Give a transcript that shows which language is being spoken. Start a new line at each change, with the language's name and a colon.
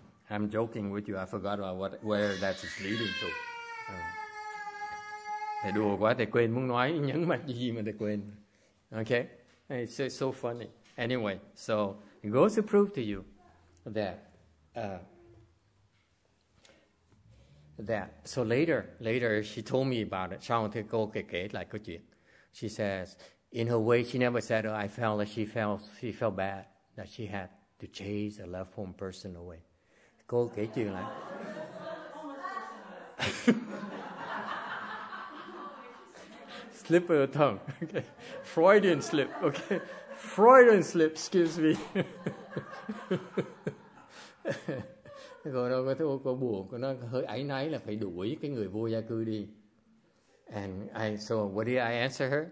English: I'm joking with you. I forgot about where that is leading to.
Vietnamese: Thầy đùa quá, thầy quên muốn nói nhấn mạnh gì mà thầy quên.
English: Okay. It's so funny. Anyway, so it goes to prove to you that so later she told me about it.
Vietnamese: Sau thì cô kể lại câu chuyện.
English: She says in her way she never said, oh, I felt like she felt bad that she had to chase a loved one person away.
Vietnamese: Cô kể chuyện lại.
English: Slip of the tongue. Okay. Freudian slip. Okay. Freudian slip, excuse me.
Vietnamese: Rồi đâu có thấy cô buồn, cô nói hơi áy náy là phải đuổi cái người vô gia cư đi.
English: And I, so what did I answer her?